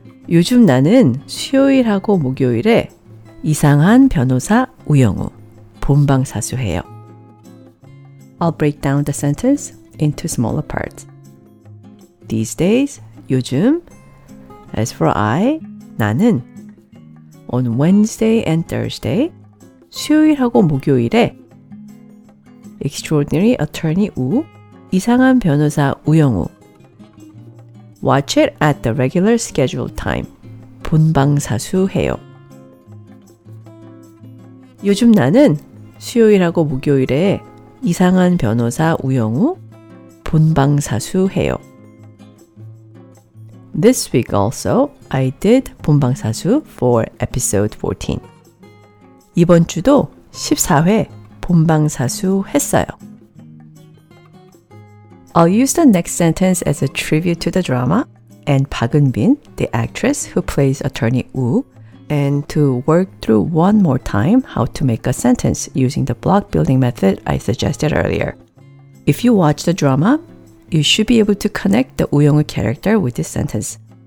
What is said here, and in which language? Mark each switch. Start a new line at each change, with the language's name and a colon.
Korean: 요즘 나는 수요일하고 목요일에 이상한 변호사 우영우 본방사수해요.
English: I'll break down the sentence into smaller parts. These days,
Korean: 요즘,
English: as for I,
Korean: 나는
English: On Wednesday and Thursday,
Korean: 수요일하고 목요일에
English: Extraordinary Attorney Wu,
Korean: 이상한 변호사 우영우
English: Watch it at the regular scheduled time.
Korean: 본방사수해요. 요즘 나는 수요일하고 목요일에 이상한 변호사 우영우 본방사수해요.
English: This week also, I did 본방사수 for episode 14.
Korean: 이번 주도 14회 본방사수 했어요.
English: I'll use the next sentence as a tribute to the drama and Park Eun-bin, the actress who plays attorney Wu, and to work through one more time how to make a sentence using the block building method I suggested earlier. If you watch the drama, you should be able to connect the 우영우 character with this sentence.